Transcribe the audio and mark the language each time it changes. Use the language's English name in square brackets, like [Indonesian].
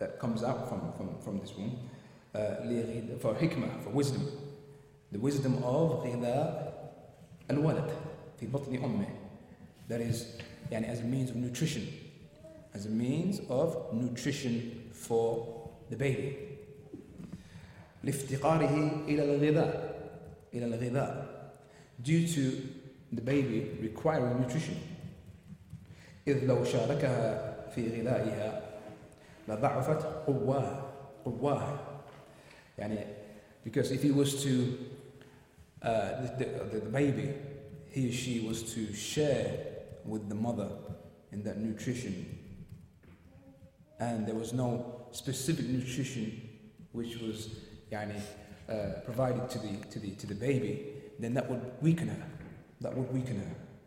[English] that comes out from this womb, for hikmah, for wisdom. The wisdom of [Arabic] ghidha al-walad fi batni ummih. [English] That is, yani, as a means of nutrition. As a means of nutrition for the baby. [Arabic] لافتقاره إلى الغذاء إلى الغذاء. [English] Due to the baby requiring nutrition. [Arabic] إذ لو شاركها في غذائها لضعفت قواها قواها. [English] يعني, because if he was to the baby, he or she was to share with the mother in that nutrition, and there was no specific nutrition which was provided to the baby, then that would weaken her. That would weaken her.